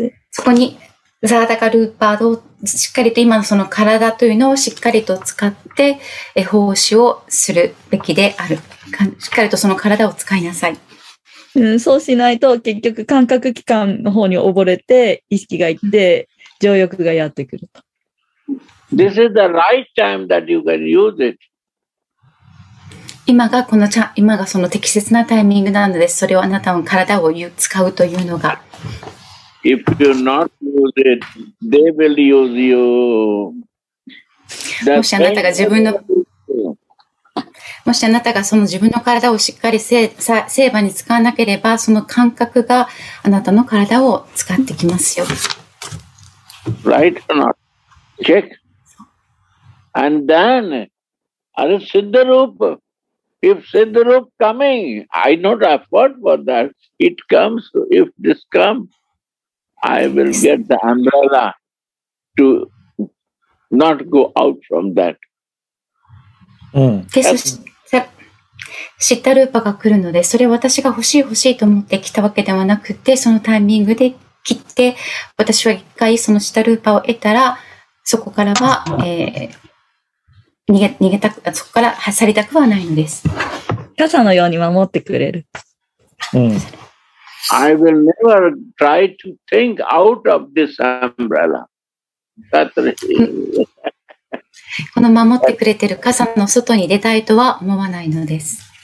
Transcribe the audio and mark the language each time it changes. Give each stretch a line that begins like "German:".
Japanese: そこにサーダカルーパーをしっかりと今のその体というのをしっかりと使って奉仕をするべきである。しっかりとその体を使いなさい。そうしないと結局感覚器官の方に溺れて意識がいって情欲がやってくると。
English: This is the right time that you can use it.
Japanese: 今がこの今がその適切なタイミングなのです。それをあなたの体を使うというのが。
English: If you not use it, they will use you.
Japanese: もしあなたが自分のもしあなたがその自分の体をしっかり精神に使わなければ、その感覚があなたの体を使ってきますよ。
English: Right or not? Check. And then, are Siddha Rupa? If Siddha Rupa coming, I don't afford for that. It comes, if this comes, I will get the umbrella to not go out from that.
Japanese: Siddha Rupa が来るので、それ私が欲しい欲しいと思って来たわけではなくて、そのタイミングで来て、私は一回その Siddha Rupa を得たら、そこからは、逃げたく、そこから去りたくはないのです。傘のように守ってくれる。
English: I will never try to think out of this umbrella. That's it.
Japanese: この守ってくれてる傘の外に出たいとは思わないのです。